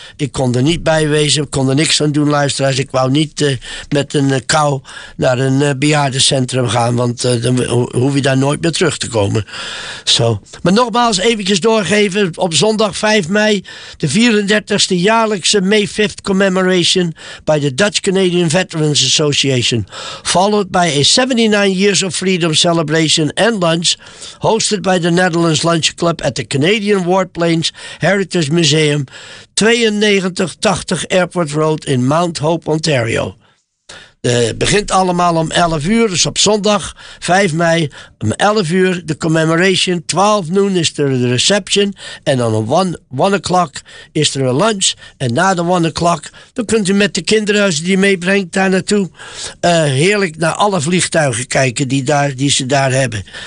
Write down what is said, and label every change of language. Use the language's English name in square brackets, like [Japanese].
[Dutch] Ik kon er niet bij wezen, ik kon er niks aan doen, luisteraars. Ik wou niet met een kou naar een bejaardencentrum gaan, want dan hoef je daar nooit meer terug te komen. Zo. Maar nogmaals, eventjes doorgeven. Op zondag 5 mei, de 34ste jaarlijkse May 5th commemoration bij de Dutch Canadian Veterans Association. [English] Followed by a 79 years of freedom celebration and lunch, hosted by the Netherlands Lunch Club at the Canadian War Plains Heritage Museum, 9280 Airport Road in Mount Hope, Ontario. [Dutch] Begint allemaal om 11 uur, dus op zondag 5 mei om 11 uur de commemoration. 12 noon is er de reception en dan om 1 o'clock is er een lunch. En na de 1 o'clock dan kunt u met de kinderen, als u die meebrengt daar naartoe, heerlijk naar alle vliegtuigen kijken die ze daar hebben.